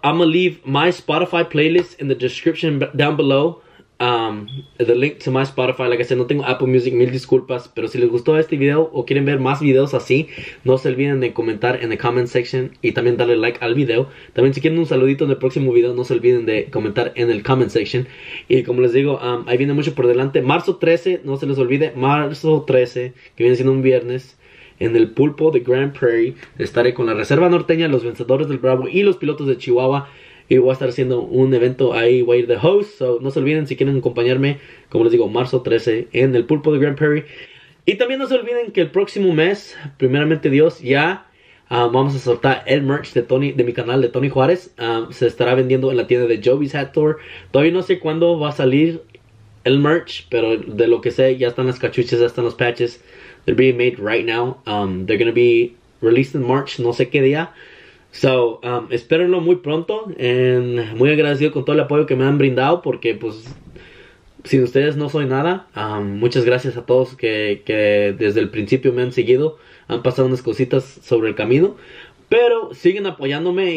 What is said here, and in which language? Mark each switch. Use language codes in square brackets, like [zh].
[en] I'm gonna leave my Spotify playlist in the description down below. The link to my Spotify, like I said, no tengo Apple Music, mil disculpas. [es] Pero si les gustó este video o quieren ver más videos así, no se olviden de comentar en the comment section y también darle like al video. También si quieren un saludito en el próximo video, no se olviden de comentar en el comment section. Y como les digo, ahí viene mucho por delante. Marzo 13, no se les olvide, marzo 13, que viene siendo un viernes. En el Pulpo de Grand Prairie estaré con la Reserva Norteña, los Vencedores del Bravo y los Pilotos de Chihuahua. Y voy a estar haciendo un evento ahí, voy a ir de host. So, no se olviden si quieren acompañarme, como les digo, marzo 13 en el Pulpo de Grand Prairie. Y también no se olviden que el próximo mes, primeramente Dios, ya vamos a soltar el merch de Tony, de mi canal de Tony Juárez. Se estará vendiendo en la tienda de Joby's Hat Store. Todavía no sé cuándo va a salir el merch, pero de lo que sé, ya están las cachuchas, ya están los patches. [en] They're being made right now. They're going to be released in March. [es] No sé qué día. So, espérenlo muy pronto. And muy agradecido con todo el apoyo que me han brindado. Porque, pues, sin ustedes no soy nada. Muchas gracias a todos que desde el principio me han seguido. Han pasado unas cositas sobre el camino. Pero siguen apoyándome.